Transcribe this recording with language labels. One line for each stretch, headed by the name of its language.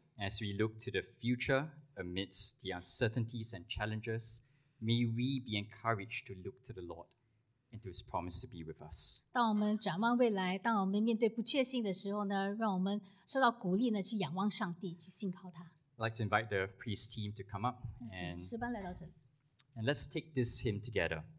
English: As we look to the future amidst the uncertainties and challenges, may we be encouraged to look to the Lord and to His promise to be with us.
Chinese: 当我们展望未来，当我们面对不确信的时候呢，让我们受到鼓励呢，去仰望上帝，去信靠他。
English: I'd like to invite the priest team to come up and let's take this hymn together.